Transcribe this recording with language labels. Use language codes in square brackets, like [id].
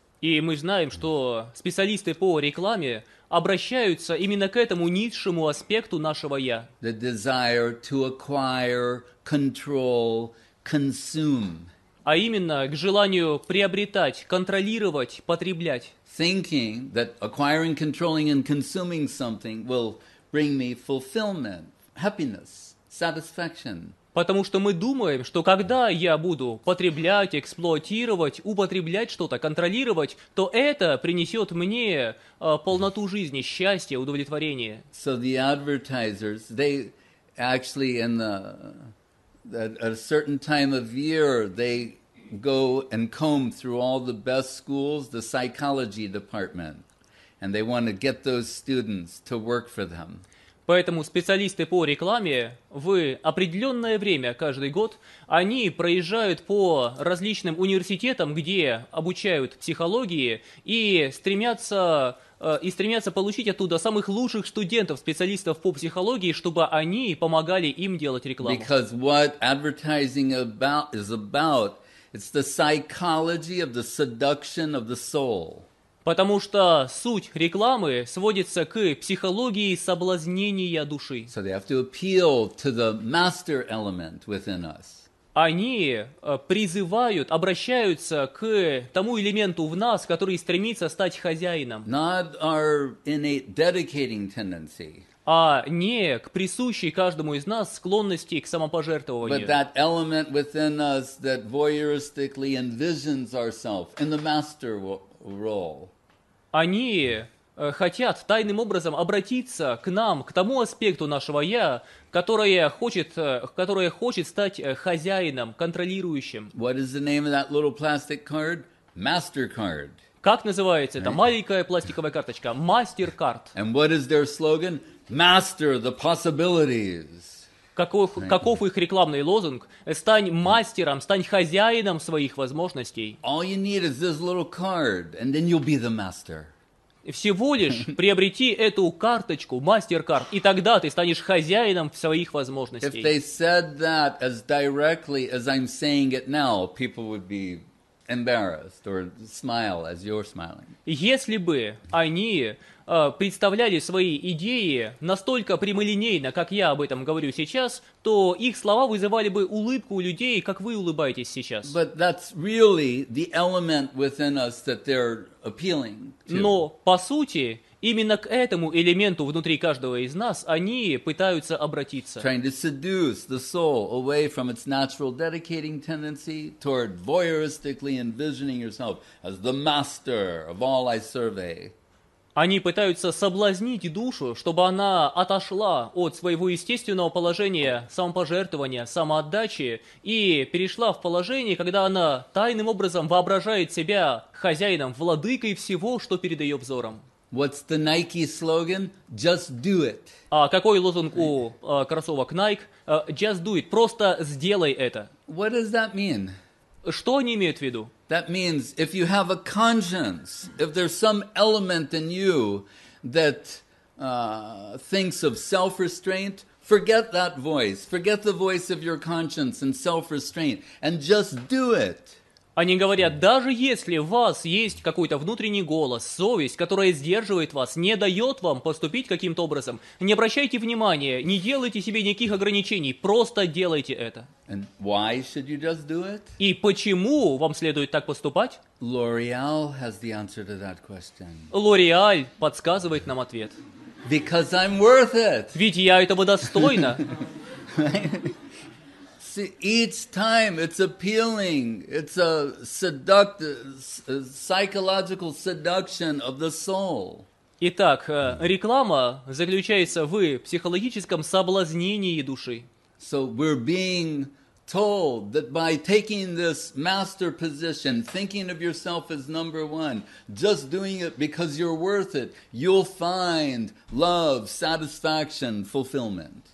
[ru] И мы знаем, что специалисты по рекламе обращаются именно к этому низшему аспекту нашего «я». [en] The desire to acquire, control, consume. [ru] А именно к желанию приобретать, контролировать, потреблять. [en] Thinking that acquiring, controlling and consuming something will bring me fulfillment, happiness, satisfaction. [ru] Потому что мы думаем, что когда я буду потреблять, эксплуатировать, употреблять что-то, контролировать, то это принесет мне полноту жизни, счастье, удовлетворение. [en] So the advertisers, they actually in the at a certain time of year they go and comb through all the best schools, the psychology department, and they want to get those students to work for them. [ru] Поэтому специалисты по рекламе в определенное время каждый год они проезжают по различным университетам, где обучают психологии и стремятся получить оттуда самых лучших студентов, специалистов по психологии, чтобы они помогали им делать рекламу. [en] Because what advertising is about, it's the psychology of the seduction of the soul. [ru] Потому что суть рекламы сводится к психологии соблазнения души. [en] So they have to appeal to the master element within us. [ru] Они призывают, обращаются к тому элементу в нас, который стремится стать хозяином. [en] Not our innate dedicating tendency. [ru] А не к присущей каждому из нас склонности к самопожертвованию. [en] But that element within us that voyeuristically envisions ourselves in the master role. [ru] Они хотят тайным образом обратиться к нам, к тому аспекту нашего «я», которое хочет стать хозяином, контролирующим. [en] What is the name of that little plastic card? MasterCard. [ru] Как называется [en] right? [ru] Эта маленькая пластиковая карточка? [en] MasterCard. And what is their slogan? Master the possibilities. [ru] Каков их рекламный лозунг? Стань мастером, стань хозяином своих возможностей. [en] All you need is this little card, and then you'll be the master. [ru] Всего лишь приобрети эту карточку, MasterCard, и тогда ты станешь хозяином своих возможностей. [en] If they said that as directly as I'm saying it now, people would be embarrassed or smile as you're smiling. [ru] Если бы они представляли свои идеи настолько прямолинейно, как я об этом говорю сейчас, то их слова вызывали бы улыбку у людей, как вы улыбаетесь сейчас. [en] But that's really the element within us that they're appealing to. [ru] Но, по сути, именно к этому элементу внутри каждого из нас они пытаются обратиться. [en] Trying to seduce the soul away from its natural dedicating tendency toward voyeuristically envisioning yourself as the master of all I survey. [ru] Они пытаются соблазнить душу, чтобы она отошла от своего естественного положения самопожертвования, самоотдачи и перешла в положение, когда она тайным образом воображает себя хозяином, владыкой всего, что перед ее взором. [en] What's the Nike slogan? Just do it. [ru] А какой лозунг у кроссовок Nike? [en] Just do it. [ru] Просто сделай это. [en] What does that mean? [ru] Что они имеют в виду? [en] That means if you have a conscience, if there's some element in you that thinks of self-restraint, forget that voice, forget the voice of your conscience and self-restraint, and just do it. [ru] Они говорят, даже если у вас есть какой-то внутренний голос, совесть, которая сдерживает вас, не дает вам поступить каким-то образом, не обращайте внимания, не делайте себе никаких ограничений, просто делайте это. [en] And why should you just do it? [ru] И почему вам следует так поступать? [en] L'Oreal has the answer to that question. [ru] L'Oreal подсказывает нам ответ. [en] Because I'm worth it. [ru] Ведь я этого достойна. [en] See, each time it's appealing, it's a seductive, psychological seduction of the soul. [ru] Итак, реклама заключается в психологическом соблазнении души. [en] So we're being told that by taking this master position, thinking of yourself as number one, just doing it because you're worth it, you'll find love, satisfaction, fulfillment.